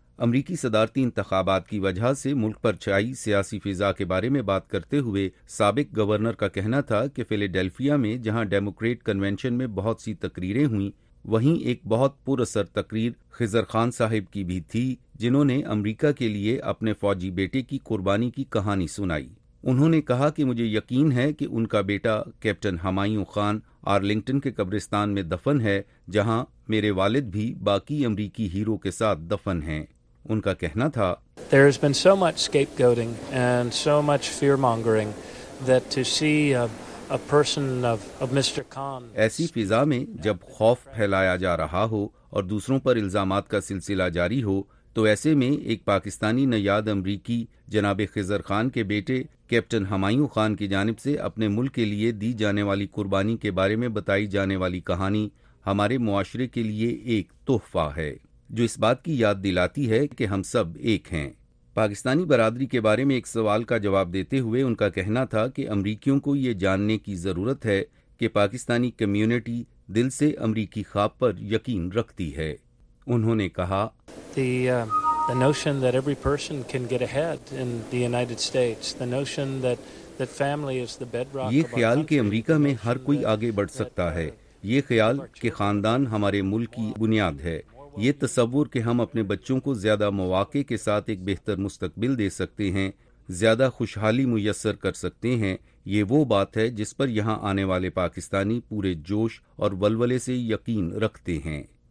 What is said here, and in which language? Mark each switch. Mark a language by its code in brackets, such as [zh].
[ur] امریکی صدارتی انتخابات کی وجہ سے ملک پر چھائی سیاسی فضا کے بارے میں بات کرتے ہوئے سابق گورنر کا کہنا تھا کہ فلیڈیلفیا میں جہاں ڈیموکریٹ کنونشن میں بہت سی تقریریں ہوئیں, وہیں ایک بہت پر اثر تقریر خضر خان صاحب کی بھی تھی جنہوں نے امریکہ کے لیے اپنے فوجی بیٹے کی قربانی کی کہانی سنائی. انہوں نے کہا کہ مجھے یقین ہے کہ ان کا بیٹا کیپٹن ہمایوں خان آرلنگٹن کے قبرستان میں دفن ہے جہاں میرے والد بھی باقی امریکی ہیرو کے ساتھ دفن ہیں. ان کا کہنا تھا, [en] There has been so much scapegoating and so much fear-mongering that to see a person of Mr. Khan, [ur] ایسی فضا میں جب خوف پھیلایا جا رہا ہو اور دوسروں پر الزامات کا سلسلہ جاری ہو, تو ایسے میں ایک پاکستانی نژاد امریکی جناب خضر خان کے بیٹے کیپٹن ہمایوں خان کی جانب سے اپنے ملک کے لیے دی جانے والی قربانی کے بارے میں بتائی جانے والی کہانی ہمارے معاشرے کے لیے ایک تحفہ ہے جو اس بات کی یاد دلاتی ہے کہ ہم سب ایک ہیں۔ پاکستانی برادری کے بارے میں ایک سوال کا جواب دیتے ہوئے ان کا کہنا تھا کہ امریکیوں کو یہ جاننے کی ضرورت ہے کہ پاکستانی کمیونٹی دل سے امریکی خواب پر یقین رکھتی ہے۔ انہوں نے کہا [en] The notion that every person can get ahead in the United States, the notion that family is the bedrock, [ur] یہ خیال کہ امریکہ میں ہر کوئی آگے بڑھ سکتا ہے، یہ خیال کہ خاندان ہمارے ملک کی بنیاد ہے، یہ تصور کہ ہم اپنے بچوں کو زیادہ مواقع کے ساتھ ایک بہتر مستقبل دے سکتے ہیں، زیادہ خوشحالی میسر کر سکتے ہیں، یہ وہ بات ہے جس پر یہاں آنے والے پاکستانی پورے جوش اور ولولے سے یقین رکھتے ہیں۔